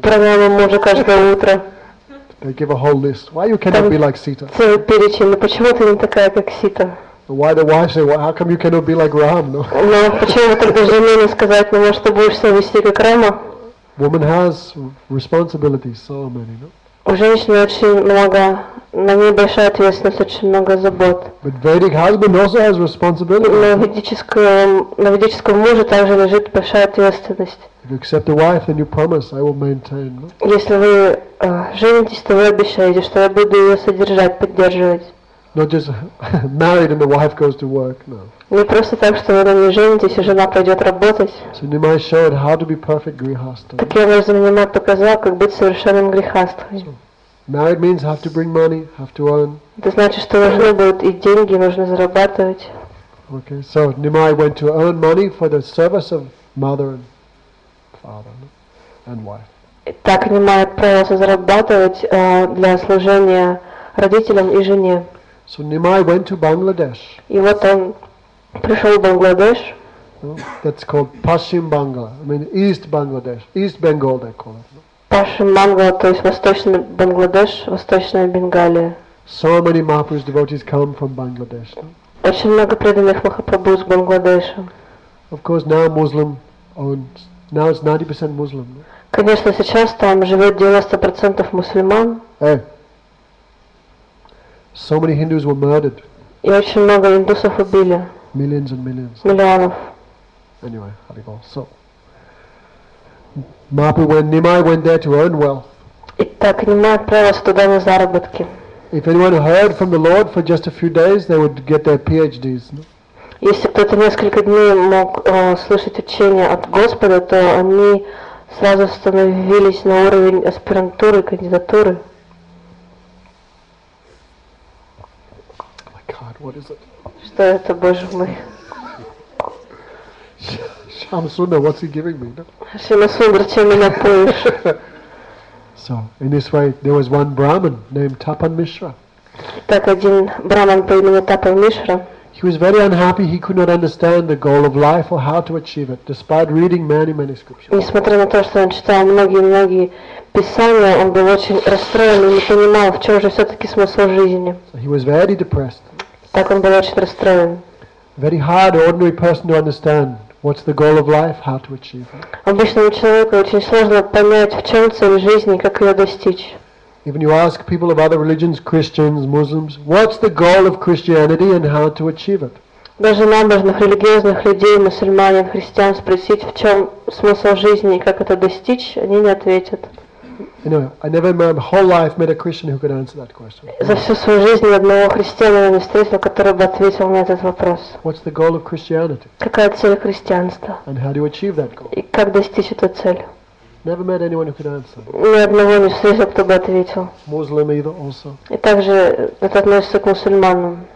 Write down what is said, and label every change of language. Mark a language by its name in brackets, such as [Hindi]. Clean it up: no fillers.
[Russian] Pranam мужу каждое утро. [English] They give a whole list. Why you cannot be like Sita? [Russian] Целый перечень. Но почему ты не такая, как Сита? [English] Why the wife say, well, how come you cannot be like Ram? No. [Russian] Но почему тогда жене не сказать, ну, может, ты будешь себя вести как Рама? [English] Woman has responsibilities, so many, no? [Russian] У женщины очень много, на ней большая ответственность, очень много забот. [English] But Vedic husband also has responsibility. [Russian] На ведическом муже также лежит большая ответственность. [English] If you accept a wife, then you promise I will maintain. No? [Russian] Если вы женитесь, то вы обещаете, что я буду ее содержать, поддерживать. [English] Not just married and the wife goes to work. No. [Russian] Не просто так, что вы на ней женитесь, и жена пойдет работать. [English] So Nimai showed how to be perfect grihastha. [Russian] Таким образом Nimai показал, как быть совершенным грихастхой. [English] Married means have to bring money, have to earn. [Russian] Это значит, что нужны будут и деньги, нужно зарабатывать. [English] Okay, so Nimai went to earn money for the service of mother and father and wife. [Russian] Так Nimai отправился зарабатывать для служения родителям и жене. [English] So Nimai went to Bangladesh. [Russian] И вот он пришел в Бангладеш. [English] No? That's called Pashim Bangla. I mean East Bangladesh, East Bengal they call it. [Russian] Пашим Бангла, то есть восточный Бангладеш, восточная Бенгалия. [English] So many Mahaprabhu's devotees come from Bangladesh. No? [Russian] Очень много преданных Махапрабху из Бангладеша. [English] Of course now Muslim owns. Now it's 90% Muslim. No? [Russian] Конечно, сейчас там живет 90% мусульман. [English] Hey. So many Hindus were murdered. [Russian] И очень много индусов убили. [English] Millions and millions. [Russian] Миллионов. [English] Anyway, how do you go? So, Mahaprabhu went, Nimai went there to earn wealth. [Russian] Итак, Nimai отправился туда на заработки. [English] If anyone heard from the Lord for just a few days, they would get their PhDs. No? [Russian] Если кто-то несколько дней мог слышать учение от Господа, то они сразу становились на уровень аспирантуры, кандидатуры. [English] Oh my God, what is it? [Russian] Что это, Боже мой? [English] Shamsundar, what's he giving me? [Russian] Shamsundar, чем меня поешь? [English] So in this way, there was one Brahmin named Tapan Mishra. [Russian] Так один браман по имени Тапан Мишра. [English] He was very unhappy. He could not understand the goal of life or how to achieve it, despite reading many, many scriptures. [Russian] Несмотря на то, что он читал многие писания, он был очень расстроен и не понимал, в чем же все-таки смысл жизни. [English] So he was very depressed. [Russian] Так он был очень расстроен. [English] Very hard, ordinary person to understand what's the goal of life, how to achieve it. [Russian] Обычному человеку очень сложно понять, в чем цель жизни, как ее достичь. [English] Even you ask people of other religions, Christians, Muslims, what's the goal of Christianity and how to achieve it? [Russian] Даже набожных религиозных людей, мусульман, христиан спросить, в чем смысл жизни и как это достичь, они не ответят. [English] Anyway, I never in my whole life met a Christian who could answer that question. [Russian] За всю свою жизнь одного христианина не встретил, который бы ответил на этот вопрос. [English] What's the goal of Christianity? [Russian] Какая цель христианства? [English] And how do you achieve that goal? [Russian] И как достичь эту цель? [English] Never met anyone who could answer. [Russian] Ни одного не встретил, кто бы ответил. [English] Muslim either also. [Russian] И также это относится к мусульманам.